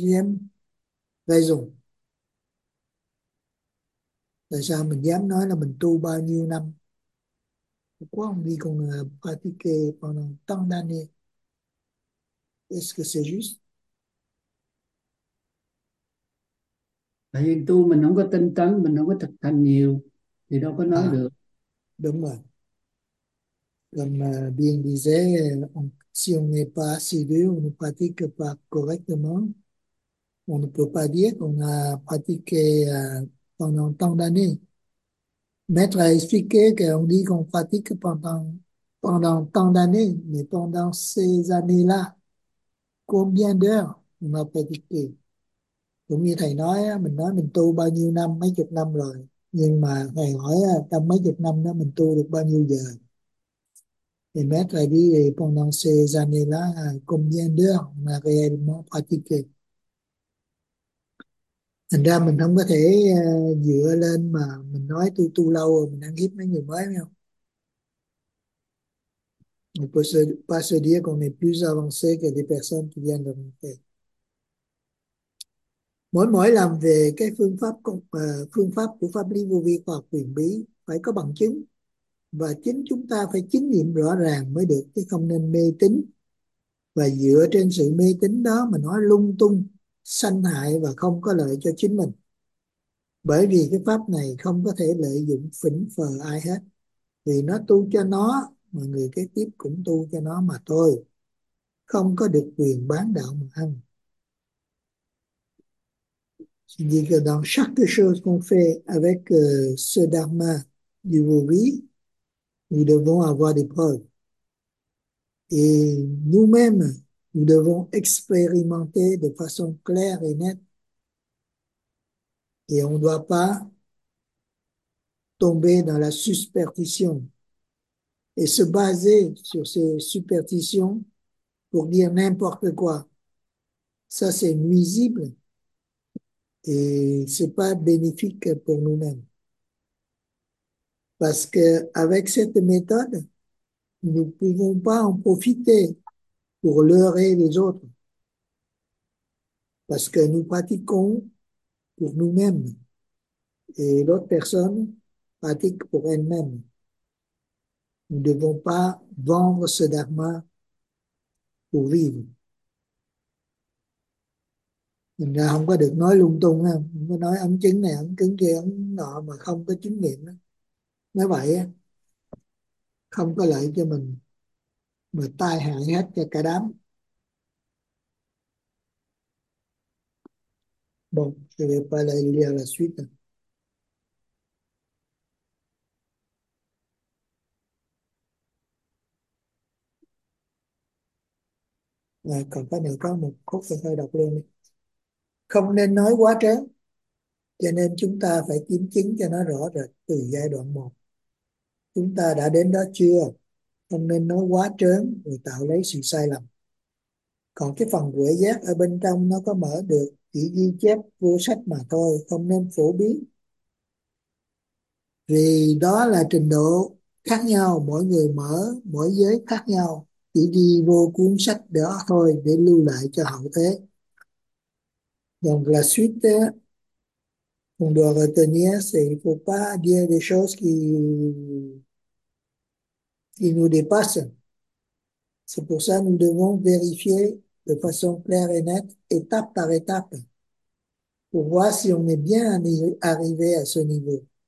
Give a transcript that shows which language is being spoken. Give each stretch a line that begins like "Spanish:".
French: Deuxième raison.
Vietnamese: Tại sao mình dám nói là mình tu bao nhiêu năm?
French: Pourquoi on dit qu'on a pratiqué pendant tant d'années? Est-ce que c'est juste?
Vietnamese: Tại vì tu mình không có tinh tấn, mình không có thực hành nhiều thì đâu có nói À, được. đúng rồi.
French: Comme bien disait, si on n'est pas assidu, on ne pratique pas correctement, on ne peut pas dire qu'on a pratiqué pendant tant d'années. Maître a expliqué qu'on dit qu'on pratique pendant tant d'années, mais pendant ces années-là, combien d'heures on a pratiqué?
Vietnamese: Cũng như thầy nói, mình nói mình tu bao nhiêu năm, mấy chục năm rồi, nhưng mà thầy hỏi trong mấy chục năm đó mình tu được bao nhiêu giờ. Thì mẹ thầy đi
French: pendant ces années là combien d'heures
Vietnamese: mà
French: réellement pratiqué.
Vietnamese: Thành ra mình không có thể dựa lên mà mình nói tôi tu lâu rồi mình ăn hiếp mấy người mới, không?
French: On peut se, pas se dire qu'on est plus avancé que des personnes qui viennent de monter.
Vietnamese: Mỗi mỗi làm về cái phương pháp của pháp lý vô vi khoa học huyền bí phải có bằng chứng, và chính chúng ta phải chứng nghiệm rõ ràng mới được, chứ không nên mê tín và dựa trên sự mê tín đó mà nói lung tung, sanh hại và không có lợi cho chính mình. Bởi vì cái pháp này không có thể lợi dụng phỉnh phờ ai hết, vì nó tu cho nó mà người kế tiếp cũng tu cho nó mà thôi, không có được quyền bán đạo mà ăn.
French: Je dis que dans chaque chose qu'on fait avec ce dharma du vô-vi, nous devons avoir des preuves. Et nous-mêmes, nous devons expérimenter de façon claire et nette. Et on ne doit pas tomber dans la superstition et se baser sur ces superstitions pour dire n'importe quoi. Ça, c'est nuisible. Et ce n'est pas bénéfique pour nous-mêmes. Parce qu'avec cette méthode, nous ne pouvons pas en profiter pour leurrer les autres. Parce que nous pratiquons pour nous-mêmes et l'autre personne pratique pour elle-même. Nous ne devons pas vendre ce dharma pour vivre.
Vietnamese: Mình là không có được nói lung tung ha, không có nói ấn chứng này ấn chứng kia ấn nọ mà không có chứng nghiệm đó. Nói vậy á không có lợi cho mình mà tai hại hết cho cả đám.
French: Bon, je vais pas la lire la suite.
Vietnamese: À, còn phải nữa có một khúc thôi đọc luôn đi. Không nên nói quá tráng, cho nên chúng ta phải kiểm chứng cho nó rõ rệt từ giai đoạn một. Chúng ta đã đến đó chưa? Không nên nói quá trớn để tạo lấy sự sai lầm. Còn cái phần quệ giác ở bên trong nó có mở được, chỉ ghi chép vô sách mà thôi, không nên phổ biến. Vì đó là trình độ khác nhau, mỗi người mở, mỗi giới khác nhau, chỉ ghi vô cuốn sách đó thôi để lưu lại cho hậu thế.
French: Donc la suite, on doit retenir, c'est qu'il ne faut pas dire des choses qui nous dépassent. C'est pour ça que nous devons vérifier de façon claire et nette, étape par étape, pour voir si on est bien arrivé à ce niveau.